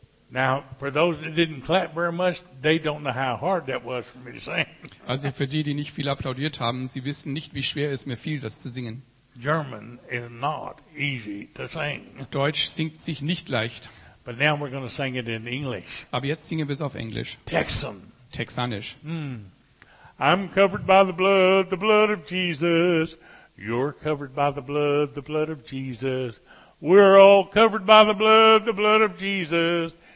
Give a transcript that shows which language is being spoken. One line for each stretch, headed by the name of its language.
English: Now, for those that didn't clap very much, they don't know how hard that was for me to sing.
German: Also für die, die nicht viel applaudiert haben, sie wissen nicht, wie schwer es mir fiel, das zu singen.
English: German is not easy to sing.
German: Deutsch singt sich nicht leicht.
English: But now we're going to sing it in English.
German: Aber jetzt singen wir es auf Englisch.
English: Texan.
German: Texanisch.
English: I'm covered by the blood of Jesus. You're covered by the blood of Jesus. We're all covered by the blood of Jesus.